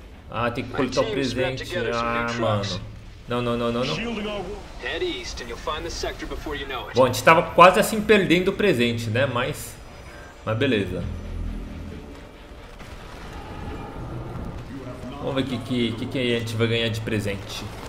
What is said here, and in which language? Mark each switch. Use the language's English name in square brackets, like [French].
[Portuguese] Ah, tem que coletar o presente. Ah, mano. Não. [English] Head east and you'll find the sector before you know it. [Portuguese] Bom, a gente estava quase assim perdendo o presente, né? Mas beleza. Vamos ver o que a gente vai ganhar de presente.